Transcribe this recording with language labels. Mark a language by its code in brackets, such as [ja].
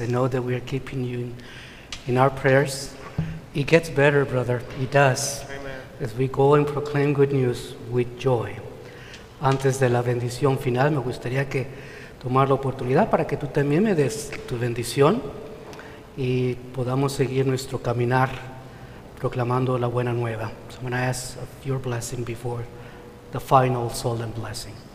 [en] I know that we are keeping you in our prayers. It gets better, brother. It does. Amen. As we go and proclaim good news with joy. [es] Antes de la bendición final, me gustaría que tomar la oportunidad para que tú también me des tu bendición y podamos seguir nuestro caminar proclamando la buena nueva. [en] So I'm going to ask of your blessing before the final solemn blessing.